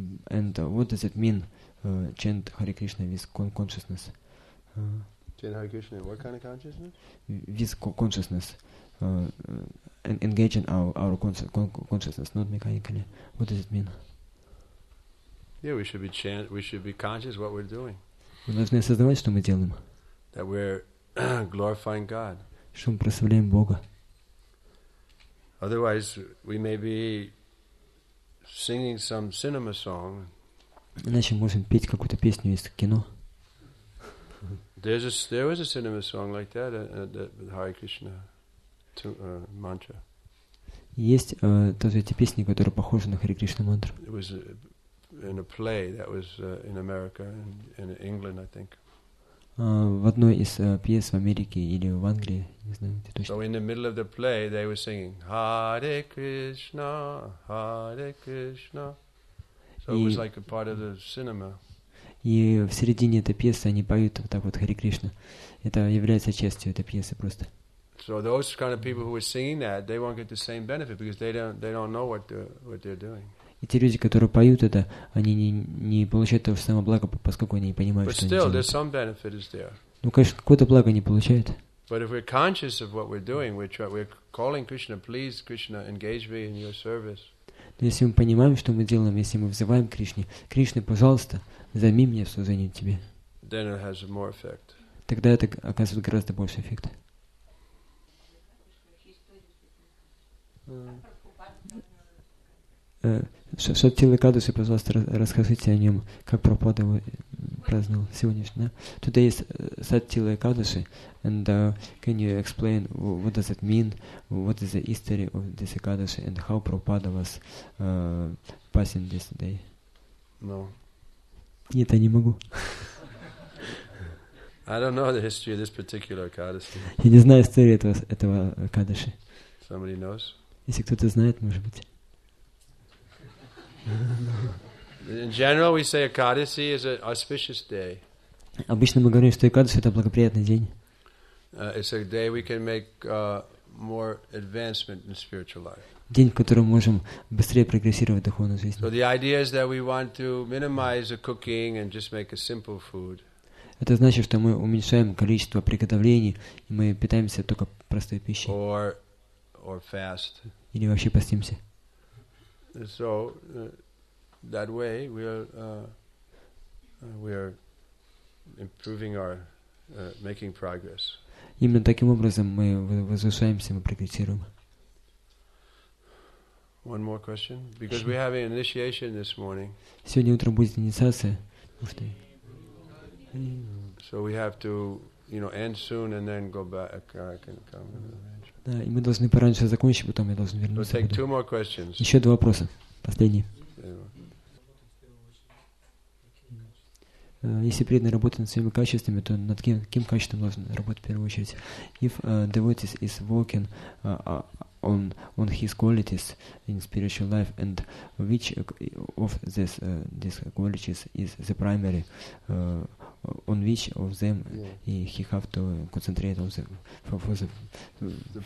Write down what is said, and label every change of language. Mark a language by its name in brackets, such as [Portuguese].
[English] And what does it mean, chant Hare Krishna with consciousness? Chant Hare Krishna in what kind of consciousness? With consciousness. Engaging our consciousness, not mechanically. What does it mean? Yeah, we should be conscious of what we're doing. [Russian] Мы должны осознавать, что мы делаем. [English] That we're glorifying God. [Russian] Что мы прославляем Бога. [English] Otherwise, we may be singing some cinema song. [Russian] Иначе мы можем петь какую-то песню из кино. [English] There was a cinema song like that, the Hare Krishna mantra. [Russian] Есть тоже эти песни, которые похожи на Hare Krishna mantra. [English] It was in a play that was in America and in England, I think. [Russian] В одной из пьес в Америке или в Англии, не знаю, где точно. [English] So in the middle of the play, they were singing Hare Krishna, Hare Krishna. So it was like a part of the cinema. [Russian] И в середине этой пьесы они поют вот так вот Хари Кришна. Это является частью этой пьесы просто. [English] So those kind of people who are singing that, they won't get the same benefit because they don't know what they're doing. [Russian] И те люди, которые поют это, они не получают того же самого блага, поскольку они не понимают, [English] but [Russian] что [English] still, [Russian] они делают. [English] Some benefit is there. [Russian] Ну, конечно, какое-то благо они получают. [English] But if we're conscious of what we're doing, we're calling Krishna, please, Krishna, engage me in your service. [Russian] Но если мы понимаем, что мы делаем, если мы взываем Кришне, Кришна, пожалуйста, займи меня в служении Тебе. [English] Then it has more effect. [Russian] Тогда это оказывает гораздо больше эффекта. Шатила Кадуши, пожалуйста, расскажите о нем, как Прабхупада его праздновал сегодняшний. Туда есть Шатила Кадуши, [English] and can you explain what does it mean, what is the history of this Kadushi, and how Prabhupada was passing this day? No. [Russian] Нет, я не могу. [English] I don't know the history of this particular Kadushi. [Russian] Я не знаю историю этого Кадуши. [English] Somebody knows? [Russian] Если кто-то знает, может быть. [English] In general, we say Ekadasi is an auspicious day. [Russian] Обычно мы говорим, что Экадаси это благоприятный день. [English] It's a day we can make more advancement in spiritual life. [Russian] День, в котором мы можем быстрее прогрессировать в духовной жизни. [English] So the idea is that we want to minimize the cooking and just make a simple food. [Russian] Это значит, что мы уменьшаем количество приготовлений и мы питаемся только простой пищей. [English] Or, or fast. [Russian] Или вообще постимся. [English] So that way we are improving our making progress. [Russian] Именно таким образом мы возвышаемся, мы прогрессируем. [English] One more question, because we're having initiation this morning. [Russian] Сегодня утром будет инициация. [English] So we have to, you know, end soon and then go back. I can come. [Russian] Да, и мы должны пораньше закончить, потом я должен вернуться. [English] We'll take two more questions. [Russian] Еще два вопроса, последние. Если преданный работает над своими качествами, то над каким качеством должен работать в первую очередь? [English] If devotees is working on his qualities in spiritual life, and which of these qualities is the primary, on which of them he have to concentrate on the